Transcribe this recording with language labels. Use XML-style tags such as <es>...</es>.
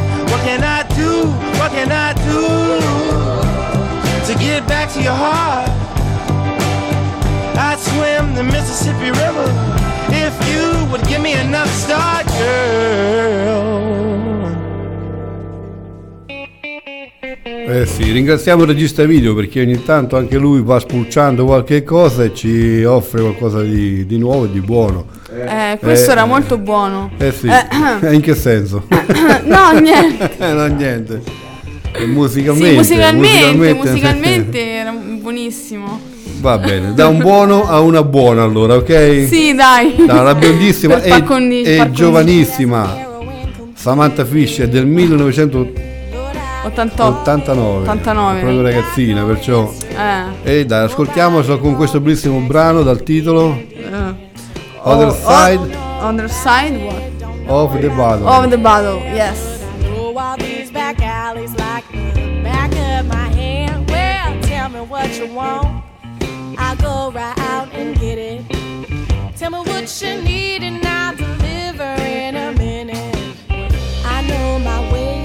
<en>What can I do? What can I do to get back to your heart? I'd swim the Mississippi River if you would give me enough start, girl.</en> <it>Eh sì, ringraziamo il regista video perché ogni tanto anche lui va spulciando qualche cosa e ci offre qualcosa di nuovo e di buono. Questo era molto buono. Eh sì, in che senso? No, niente. No, niente. Musicalmente. Sì, musicalmente era buonissimo. Va bene, da un buono a una buona allora, ok? Sì, dai. No, la biondissima e giovanissima Samantha Fischer del 89, proprio ragazzina, perciò. E dai, ascoltiamo con questo bellissimo brano dal titolo Other Side</it> <en>what? Of the Bottle, yes. Through all these back alleys like the back of my hand. Well, tell me what you want. I'll go right out and get it. Tell me what you need and I'll deliver in a minute. I know my way.</en>